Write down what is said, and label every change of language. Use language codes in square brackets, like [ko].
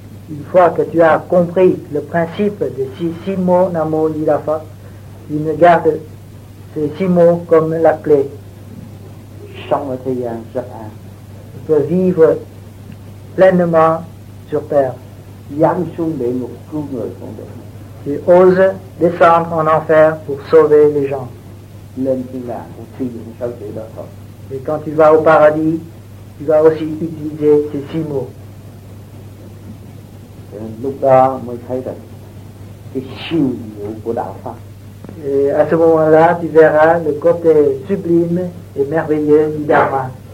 [fr] Une fois que tu as compris le principe de six mots Namo Ajita Pha, tu ne gardes ces six mots comme la clé. Tu peux vivre pleinement sur terre. Tu oses descendre en enfer pour sauver les gens. [vi] lên thiên đàng cũng sử dụng sáu chữ đó thôi. [fr] Thì quand tu vas au paradis, tu vas aussi utiliser ces six mots. [vi] Lúc đó mới thấy được cái siêu diệu của đạo pháp. [fr] Et à ce moment-là, tu verras le côté sublime et merveilleux du Dharma.